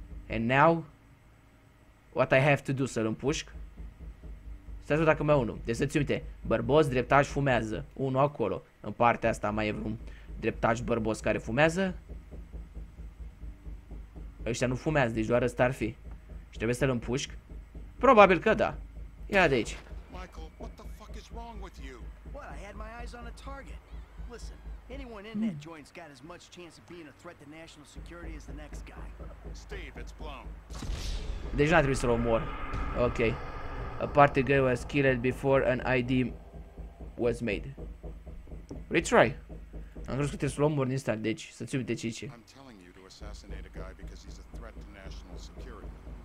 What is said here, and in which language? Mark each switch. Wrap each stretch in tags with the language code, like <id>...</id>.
<en>And now what I have to do,</en> <ro>să-l împușc? Stai să văd dacă mai e unul. Deci să-ți uite, bărbos, dreptaș, fumează. Unul acolo. În partea asta mai e vreun dreptaș, bărbos care fumează. Ăștia nu fumează, deci doar ăsta ar fi. Și trebuie să-l împușc? Probabil că da. Ia de aici.</ro> <en>Michael, what the fuck is wrong with you? What, I had my eyes on a target. Listen. Anyone in that joint's got as much chance of being a threat to national security as the next guy. Steve, it's blown.</en> <ro>Deci n-a trebuit să-l omor.</ro> <en>Ok. A party girl was killed before an ID was made. Retry.</en> <ro>Am crezut că trebuie să-l omor din start, deci să-ți uite ce zice.</ro> <en>I'm telling you to assassinate a guy because he's a threat to national security.</en>